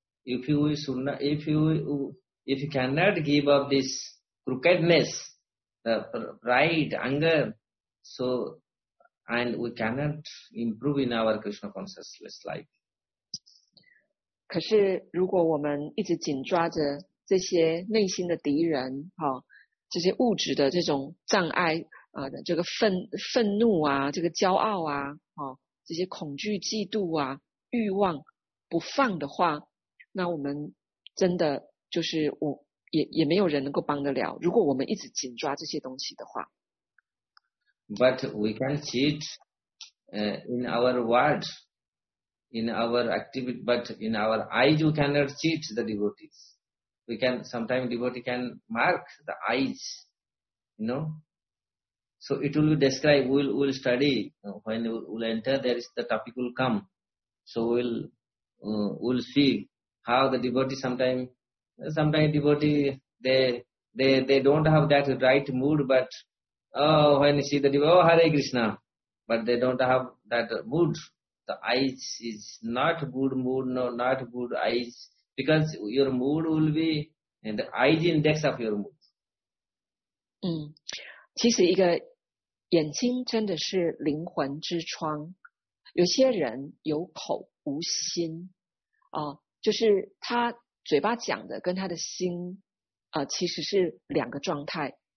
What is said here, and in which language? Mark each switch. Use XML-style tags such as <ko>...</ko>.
<en>But if you cannot give up this crookedness, the pride, anger, so and we cannot improve in our Krishna consciousness life.</en> <zh>可是如果我们一直紧抓着这些内心的敌人，这些物质的这种障碍，这个愤怒啊，这个骄傲啊，这些恐惧嫉妒啊欲望不放的话，那我们真的就是我也没有人能够帮得了，如果我们一直紧抓这些东西的话。</zh> <en>But we can cheat in our word, in our activity, but in our eyes we cannot cheat the devotees. We can sometimes devotee can mark the eyes, you know. So it will be described, we'll study, when we'll enter, there is the topic will come. So we'll see how the devotee sometimes devotee, they don't have that right mood, but when you see the devotee, Hare Krishna, but they don't have that mood. The eyes is not good mood, no, not good eyes, because your mood will be in the eyes index of your mood.</en> <zh>其实一个眼睛真的是灵魂之窗，有些人有口无心，就是他嘴巴讲的跟他的心其实是两个状态。</zh>